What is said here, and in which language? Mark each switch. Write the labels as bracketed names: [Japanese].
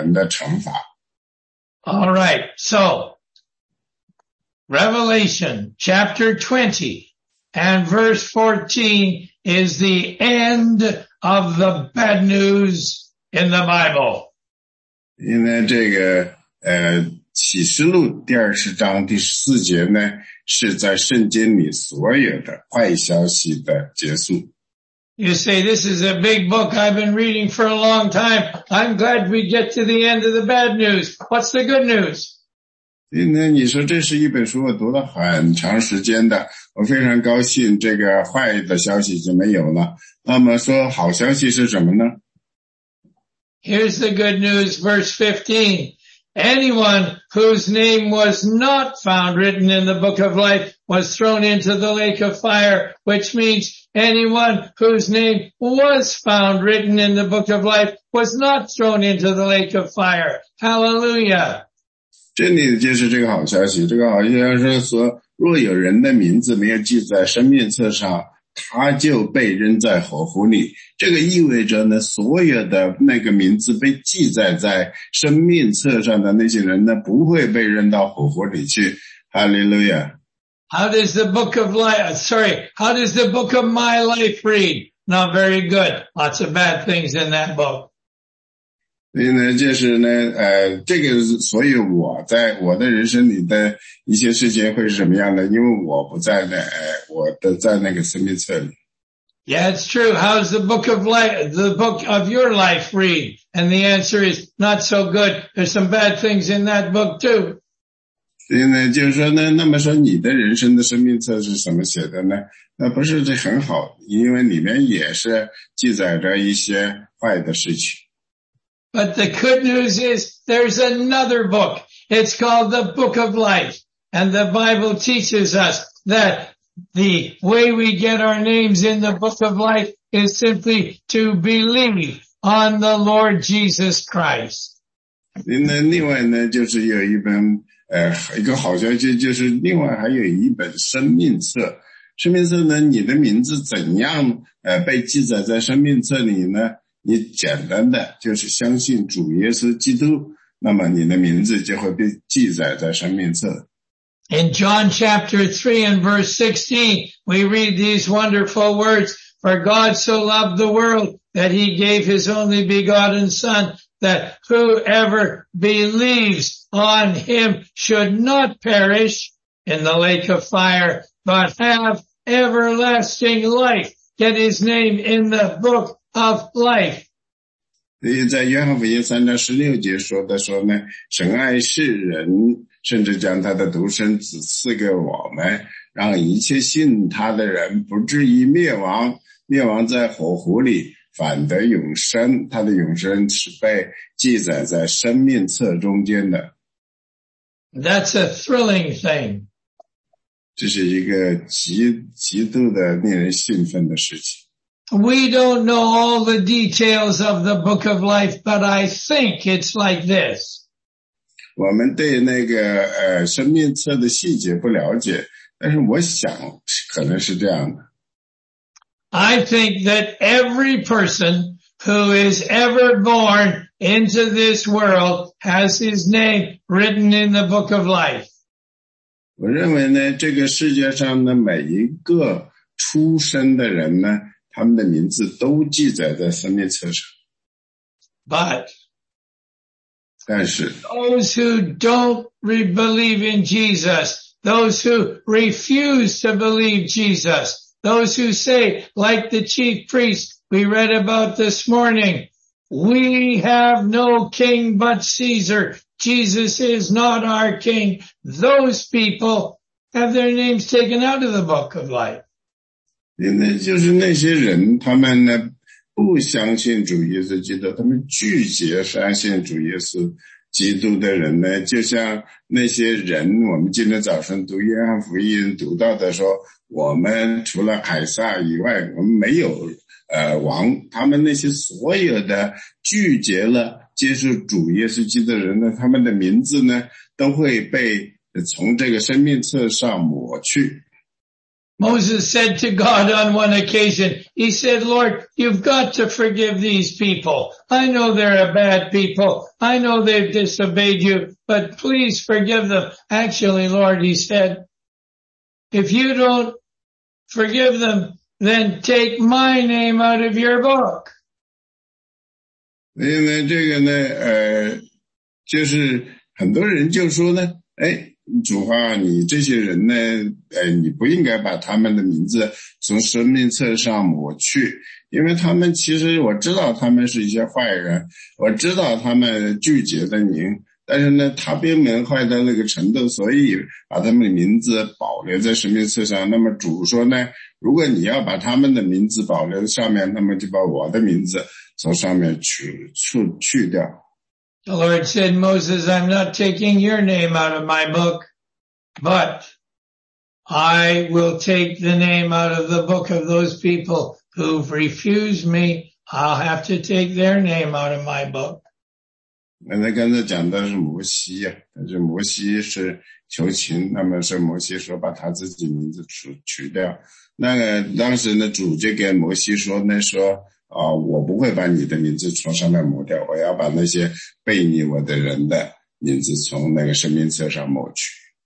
[Chinese] 他们要在那里和魔鬼、兽和假先知一样接受那种永恒的折磨和惩罚，因为他们说了他们拒绝主耶稣，他们要跟随魔鬼，那么他们要在那里受到永恒的惩罚。All [English] right, so Revelation chapter 20 and verse 14 is the end of the bad news in the Bible. [Chinese] 因为这个启示录第二十章第四节呢，是在圣经里所有的坏消息的结束。 [English] You say, this is a big book I've been reading for a long time. I'm glad we get to the end of the bad news. What's the good news? [Chinese] 今天你说这是一本书我读了很长时间的，我非常高兴这个坏的消息就没有了。那么说好消息是什么呢？ [English] Here's the good news, verse 15. Anyone whose name was not found written in the book of life was thrown into the lake of fire, which means anyone whose name was found written in the book of life was not thrown into the lake of fire. Hallelujah. [Chinese] 这里就是这个好消息，这个好消息是说，若有人的名字没有记在生命册上，他就被扔在火湖里。这个意味着呢，所有的那个名字被记载在生命册上的那些人呢，不会被扔到火湖里去。哈利路亚。 [English] How does the book of life, sorry, how does the book of my life read? Not very good. Lots of bad things in that book. [Chinese] 因为就是呢这个所以我在我的人生里的一些事情会是什么样的，因为我不在那我的在那个生命册里。 [English] Yeah, it's true. How's the book of life, the book of your life read? And the answer is not so good. There's some bad things in that book too. [Chinese] 所以呢就是说呢，那么说你的人生的生命册是什么写的呢？那不是这很好，因为里面也是记载着一些坏的事情。 [English] But the good news is there's another book. It's called the Book of Life. And the Bible teaches us that the way we get our names in the Book of Life is simply to believe on the Lord Jesus Christ. [Chinese] 另外呢就是有一本一个好消息，就是另外还有一本生命册。生命册呢，你的名字怎样被记载在生命册里呢？你简单的就是相信主耶稣基督，那么你的名字就会被记载在生命册。 [English] In John chapter 3 and verse 16, we read these wonderful words, For God so loved the world that he gave his only begotten son, that whoever believes on him should not perish in the lake of fire, but have everlasting life. Get his name in the book. Of life. [Chinese] 所以在约翰福音三章十六节说的说呢，神爱世人，甚至将他的独生子赐给我们，让一切信他的人不至于灭亡，灭亡在火湖里，反得永生。他的永生是被记载在生命册中间的。 [English] That's a thrilling thing. [Chinese] 这是一个极度的令人兴奋的事情。 [English] We don't know all the details of the book of life, but I think it's like this. [Chinese] 我们对那个生命册的细节不了解，但是我想可能是这样的。 [English] I think that every person who is ever born into this world has his name written in the book of life. [Chinese] 我认为呢，这个世界上的每一个出生的人呢，他们的名字都记载在生命册上。 [English] But, [Chinese] 但是 [English] those who don't believe in Jesus, those who refuse to believe Jesus, those who say, like the chief priest we read about this morning, we have no king but Caesar, Jesus is not our king, those people have their names taken out of the book of life. [Chinese] 那就是那些人他们呢不相信主耶稣基督，他们拒绝相信主耶稣基督的人呢，就像那些人我们今天早上读约翰福音读到的说，我们除了凯撒以外我们没有王，他们那些所有的拒绝了接受主耶稣基督的人呢，他们的名字呢都会被从这个生命册上抹去。 [English] Moses said to God on one occasion, he said, Lord, you've got to forgive these people. I know they're a bad people. I know they've disobeyed you, but please forgive them. Actually, Lord, he said, if you don't forgive them, then take my name out of your book. [Chinese] 因为这个呢就是很多人就说呢，哎，主啊，你这些人呢，你不应该把他们的名字从生命册上抹去，因为他们其实我知道他们是一些坏人，我知道他们拒绝了您，但是呢，他并没有坏到那个程度，所以把他们的名字保留在生命册上。那么主说呢，如果你要把他们的名字保留在上面，那么就把我的名字从上面去掉。 [English] The Lord said, Moses, I'm not taking your name out of my book, but I will take the name out of the book of those people who've refused me. I'll have to take their name out of my book. [Chinese] 那刚才讲的是摩西，但是摩西是求情，那么是摩西说把他自己名字取掉。那个当时呢，主就跟摩西说呢，说啊，我不会把你的名字从上面抹掉，我要把那些背逆我的人的名字从那个生命册上抹去。